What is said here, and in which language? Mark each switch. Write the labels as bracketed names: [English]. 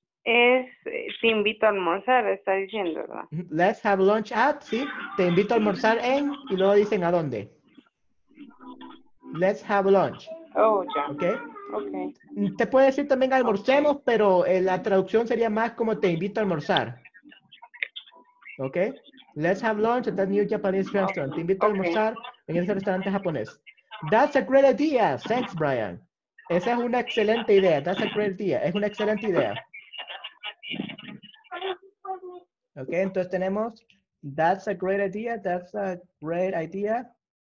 [Spanish] Es te invito a almorzar, está diciendo, ¿verdad? [English] Let's have lunch at, [Spanish] ¿sí? Te invito a almorzar en. Y luego dicen, ¿a dónde? [English] Let's have lunch. Oh, ya. Yeah. [Spanish] Okay. Te puede decir también almorcemos, okay. Pero la traducción sería más como te invito a almorzar. Ok. [English] Let's have lunch at that new Japanese restaurant. [Spanish] Okay. Te invito a almorzar en ese restaurante japonés. [English] That's a great idea. Thanks, Brian. [Spanish] Esa es una excelente idea. [English] That's a great idea. [Spanish] Es una excelente idea. Ok, entonces tenemos [English] that's a great idea. That's a great idea.